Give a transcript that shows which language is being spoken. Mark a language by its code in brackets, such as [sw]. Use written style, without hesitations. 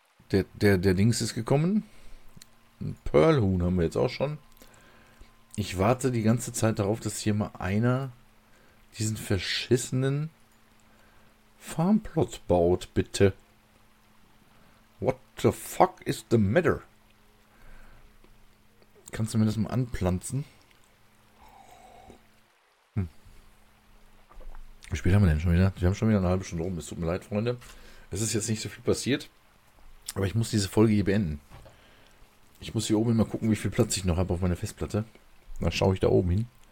[de] Der Dings ist gekommen. Ein Pearlhuhn haben wir jetzt auch schon. Ich warte die ganze Zeit darauf, dass hier mal einer diesen verschissenen Farmplot baut, bitte. [en] What the fuck is the matter? [de] Kannst du mir das mal anpflanzen? Wie spät haben wir denn schon wieder? Wir haben schon wieder eine halbe Stunde rum. Es tut mir leid, Freunde. Es ist jetzt nicht so viel passiert. Aber ich muss diese Folge hier beenden. Ich muss hier oben immer gucken, wie viel Platz ich noch habe auf meiner Festplatte. Dann schaue ich da oben hin.